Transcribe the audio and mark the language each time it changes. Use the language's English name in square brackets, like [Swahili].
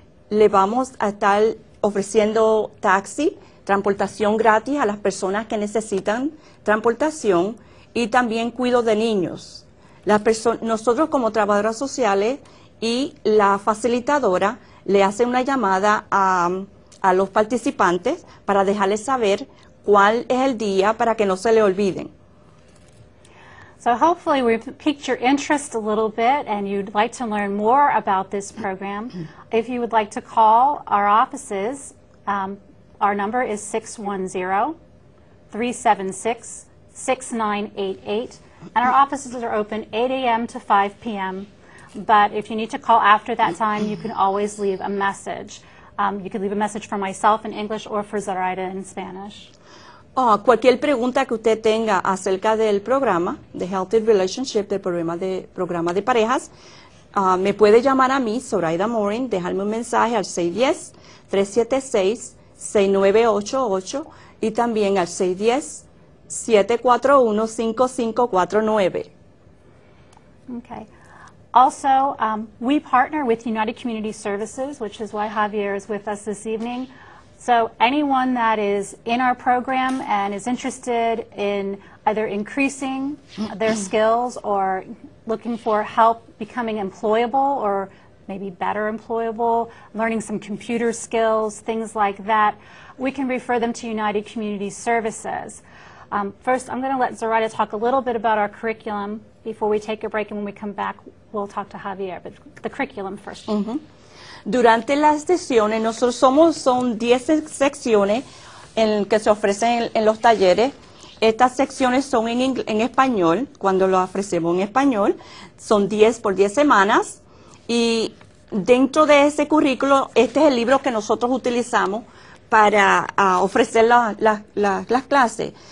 [Spanish] Le vamos a estar ofreciendo taxi, transportación gratis a las personas que necesitan transportación y también cuido de niños. Nosotros como trabajadoras sociales y la facilitadora le hace una llamada a los participantes para dejarles saber cuál es el día para que no se le olviden. [English] So hopefully we've piqued your interest a little bit and you'd like to learn more about this program. If you would like to call our offices, our number is 610-376-6988, and our offices are open 8 a.m. to 5 p.m. But if you need to call after that time, you can always leave a message. You can leave a message for myself in English or for Zoraida in Spanish. [Spanish] Cualquier pregunta que usted tenga acerca del programa, de Healthy Relationship, del programa de parejas, me puede llamar a mí, Zoraida Mohring, dejarme un mensaje al 610-376-6988 y también al 610-741-5549. [English] Okay. Also, we partner with United Community Services, which is why Javier is with us this evening. So anyone that is in our program and is interested in either increasing their skills or looking for help becoming employable or maybe better employable, learning some computer skills, things like that, we can refer them to United Community Services. First, I'm going to let Zoraida talk a little bit about our curriculum before we take a break, and when we come back, we'll talk to Javier, but the curriculum first. Mm-hmm. [Spanish] Durante las sesiones, nosotros somos, son 10 secciones en que se ofrecen en los talleres. Estas secciones son en español, cuando lo ofrecemos en español, son 10 por 10 semanas. Y dentro de ese currículo, este es el libro que nosotros utilizamos para ofrecer las clases.